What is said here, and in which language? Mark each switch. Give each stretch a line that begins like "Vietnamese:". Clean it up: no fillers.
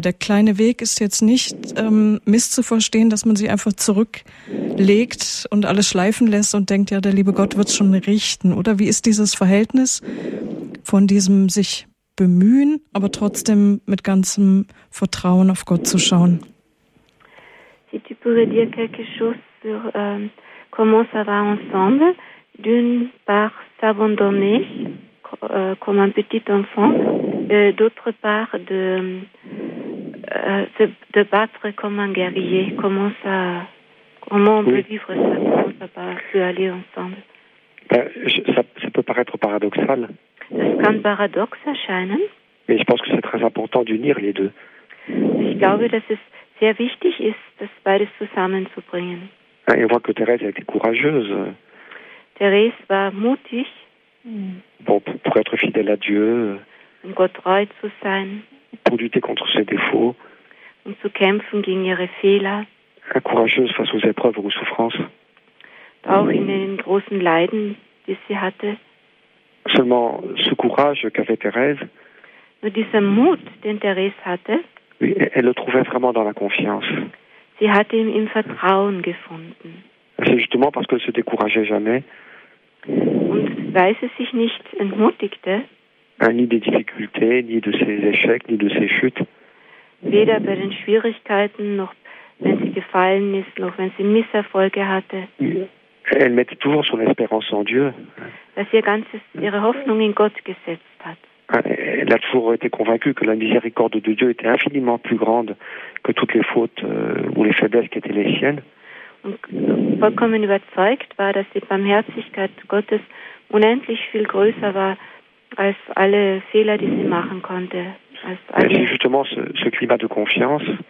German: Der kleine Weg ist jetzt nicht misszuverstehen, dass man sich einfach zurücklegt und alles schleifen lässt und denkt, ja, der liebe Gott wird es schon richten. Oder wie ist dieses Verhältnis von diesem sich bemühen, aber trotzdem mit ganzem Vertrauen auf Gott zu schauen?
French: Si tu pourrais dire quelque chose sur comment ça va ensemble, d'une part s'abandonner comme un petit enfant, et d'autre part de battre comme un guerrier. Comment on peut vivre ça, comment ça peut aller ensemble? Ça peut paraître paradoxal.
German: Das kann paradox erscheinen.
French: Mais je pense que c'est très important d'unir les deux.
German: Ich glaube, dass es sehr wichtig ist, das beides zusammenzubringen.
French: Et on voit que Thérèse a été courageuse.
German: Thérèse war mutig.
French: Bon, pour être fidèle à Dieu.
German: Um Gott treu zu sein.
French: Pour lutter contre ses défauts.
German: Um zu kämpfen gegen ihre Fehler.
French: Et courageuse face aux épreuves, aux souffrances.
German: Auch in den großen Leiden, die sie hatte.
French: seulement ce courage qu'avait Thérèse.
German: Nur diesen Mut, den Thérèse hatte.
French: Oui, elle le trouvait vraiment dans la confiance.
German: Sie hatte ihn im Vertrauen gefunden.
French: C'est justement parce qu'elle ne se décourageait jamais.
German: Und weil sie sich nicht entmutigte.
French: Ni des difficultés, ni de ses échecs, ni de ses chutes.
German: Weder bei den Schwierigkeiten, noch wenn sie gefallen ist, noch wenn sie Misserfolge hatte.
French: Elle mettait toujours son espérance en Dieu.
German: Dass ihr ganzes, ihre Hoffnung in Gott gesetzt hat.
French: Elle a toujours été convaincue que la miséricorde de Dieu était infiniment plus grande que toutes les fautes ou les faiblesses qui étaient les siennes.
German: Und vollkommen überzeugt war, dass die Barmherzigkeit Gottes unendlich viel größer war als alle Fehler, die sie machen konnte.
French: C'est justement ce climat de confiance.